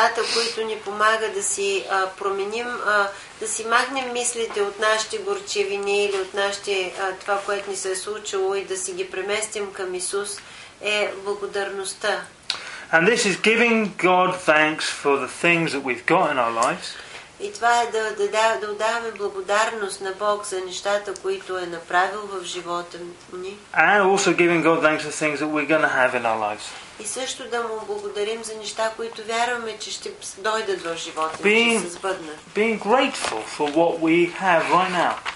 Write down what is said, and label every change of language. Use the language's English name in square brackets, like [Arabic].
[Bulgarian] Нещата, които ни помага да си променим, да си махнем мислите от нашите горчевини или от нашите това, което ни се е случило и да си ги преместим към Исус, е благодарността. [English] And this is giving God thanks for the things that we've got in our lives. [Bulgarian] И това е да отдаваме благодарност на Бог за нещата, които е направил в живота ни. [English] And also giving God thanks for things that we're going to have in our lives. [Bulgarian] И също да му благодарим за неща, които вярваме, че ще дойдат в живота ни, ще се сбъднат. [English] Being grateful for what we have right now.